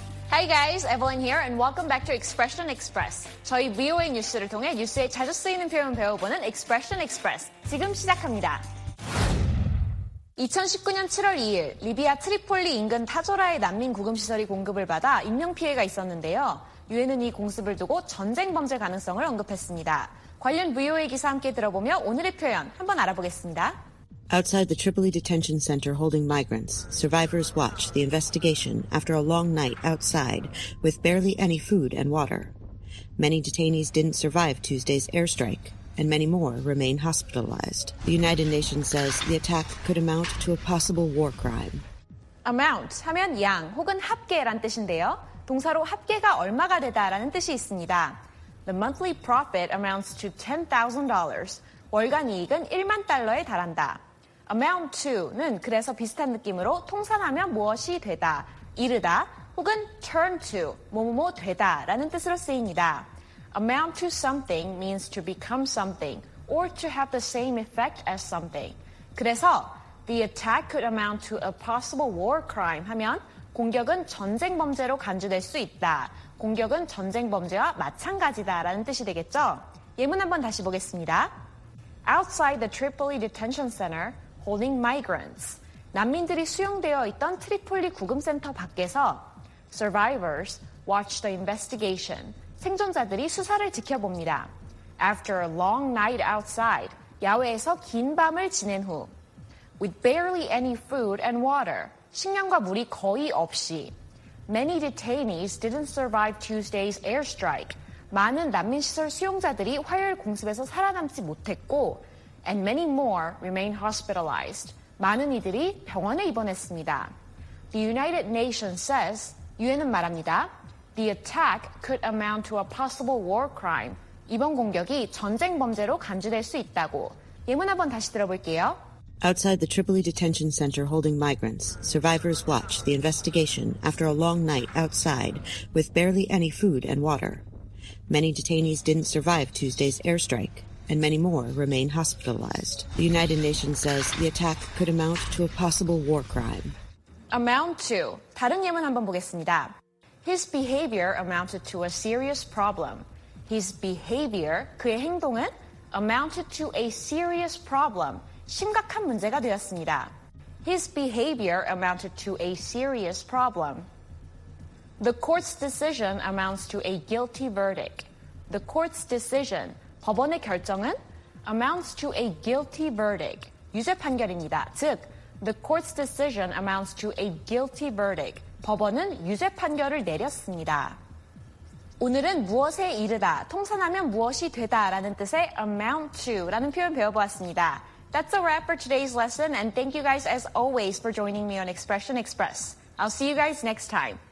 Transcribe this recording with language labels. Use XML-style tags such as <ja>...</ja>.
<en>Hey guys, Evelyn here and welcome back to Expression Express.</en> <ko>저희 VOA 뉴스를 통해 뉴스에 자주 쓰이는 표현 배워보는 Expression Express. 지금 시작합니다. 2019년 7월 2일 리비아 트리폴리 인근 타조라의 난민 구금시설이 공급을 받아 인명피해가 있었는데요. 유엔은 이 공습을 두고 전쟁 범죄 가능성을 언급했습니다. 관련 VOA 기사 함께 들어보며 오늘의 표현 한번 알아보겠습니다.</ko> <en>Outside the Tripoli detention center holding migrants, survivors watch the investigation after a long night outside with barely any food and water. Many detainees didn't survive Tuesday's airstrike, and many more remain hospitalized. The United Nations says the attack could amount to a possible war crime.</en> <ko>Amount 하면 양 혹은 합계란 뜻인데요. 동사로 합계가 얼마가 되다라는 뜻이 있습니다.</ko> <en>The monthly profit amounts to $10,000.</en> <ko>월간 이익은 1만 달러에 달한다. Amount to는 그래서 비슷한 느낌으로 통산하면 무엇이 되다, 이르다 혹은 turn to, 뭐뭐뭐 되다 라는 뜻으로 쓰입니다.</ko> <en>Amount to something means to become something or to have the same effect as something.</en> <ko>그래서</ko> <en>the attack could amount to a possible war crime</en> <ko>하면 공격은 전쟁 범죄로 간주될 수 있다. 공격은 전쟁 범죄와 마찬가지다 라는 뜻이 되겠죠. 예문 한번 다시 보겠습니다.</ko> <en>Outside the Tripoli Detention Center, holding migrants.</en> <ko>난민들이 수용되어 있던 트리폴리 구금센터 밖에서</ko> <en>survivors watch the investigation.</en> <ko>생존자들이 수사를 지켜봅니다.</ko> <en>After a long night outside,</en> <ko>야외에서 긴 밤을 지낸 후</ko> <en>with barely any food and water.</en> <ko>식량과 물이 거의 없이</ko> <en>many detainees didn't survive Tuesday's airstrike.</en> <ko>많은 난민시설 수용자들이 화요일 공습에서 살아남지 못했고</ko> <en>And many more remain hospitalized.</en> <ko>많은 이들이 병원에 입원했습니다.</ko> <en>The United Nations says,</en> <ko>유엔은 말합니다.</ko> <en>The attack could amount to a possible war crime.</en> <ko>이번 공격이 전쟁 범죄로 간주될 수 있다고. 예문 한번 다시 들어볼게요.</ko> <en>Outside the Tripoli detention center holding migrants, survivors watch the investigation after a long night outside with barely any food and water. Many detainees didn't survive Tuesday's airstrike. And many more remain hospitalized. The United Nations says the attack could amount to a possible war crime. Amount to.</en> <ko>다른 예문 한번 보겠습니다.</ko> <en>His behavior amounted to a serious problem. His behavior,</en> <ko>그의 행동은</ko> <en>amounted to a serious problem.</en> <ko>심각한 문제가 되었습니다.</ko> <en>His behavior amounted to a serious problem. The court's decision amounts to a guilty verdict. The court's decision</en> <ko>법원의 결정은</ko> <en>amounts to a guilty verdict.</en> <ko>유죄 판결입니다. 즉,</ko> <en>the court's decision amounts to a guilty verdict.</en> <ko>법원은 유죄 판결을 내렸습니다. 오늘은 무엇에 이르다, 통산하면 무엇이 되다라는 뜻의 amount to라는 표현 배워보았습니다.</ko> <en>That's a wrap for today's lesson and thank you guys as always for joining me on Expression Express. I'll see you guys next time.</en>